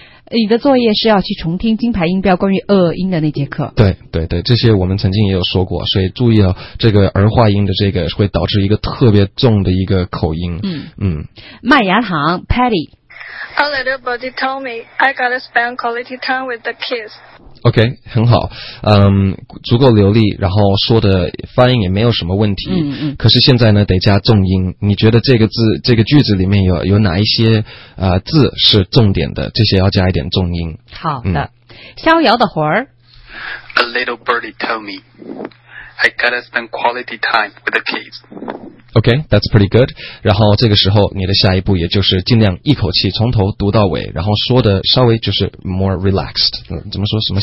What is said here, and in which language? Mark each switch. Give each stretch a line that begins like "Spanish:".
Chinese: 你的作业是要去重听金牌音标关于恶音的那节课。对对对，这些我们曾经也有说过，所以注意了这个儿化音的这个会导致一个特别重的一个口音。嗯嗯，麦芽糖 Patty。
English: A little buddy told me I gotta spend quality time with the kids。
Chinese: OK, 很好，足够流利，然后说的发音也没有什么问题，嗯嗯，可是现在呢得加重音，你觉得这个字这个句子里面有哪一些字是重点的，这些要加一点重音。好的，嗯，逍遥的魂儿。
English: A little birdie told me I gotta spend quality time with the kids。 OK, that's pretty good.
Chinese: 然后这个时候你的下一步也就是尽量一口气从头读到尾，然后说的稍微就是
English: more relaxed,
Chinese: 怎么说什么